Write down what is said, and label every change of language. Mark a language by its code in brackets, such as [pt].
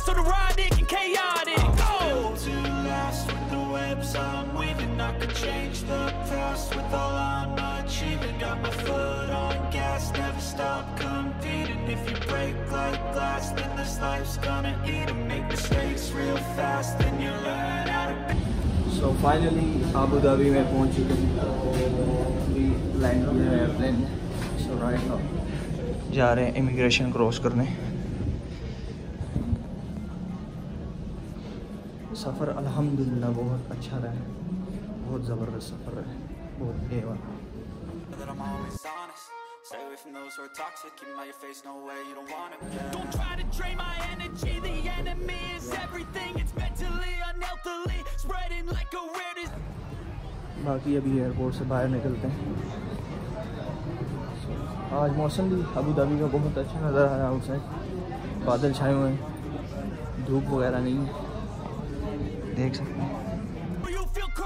[en] So neurotic and chaotic. I'm built to last with the webs I'm weaving. I could change the past with all I'm achieving. Got my foot on gas, never stop competing. If you break like glass, then this life's gonna eat and make mistakes real fast, then you learn how to be. [hi] तो finally Abu Dhabi में पहुंच चुके हैं. Land हुए airplane. [en] so right now [hi] जा रहे हैं immigration cross करने. सफ़र अल्हम्दुलिल्लाह बहुत अच्छा रहा है, बहुत ज़बरदस्त सफ़र रहा है, बहुत एवा. [en] Stay away from those who are toxic. Keep my face, no way, you don't want it. Don't try to drain my energy. The enemy is everything. It's mentally unhealthily spreading like a rare disease. [hi] बाकी अभी airport से बाहर निकलते हैं. आज मौसम भी Abu Dhabi का बहुत अच्छा नज़र आ रहा है. आउटसाइड बादल छाए हुए हैं, धूप वगैरह नहीं है, देख सकते हैं.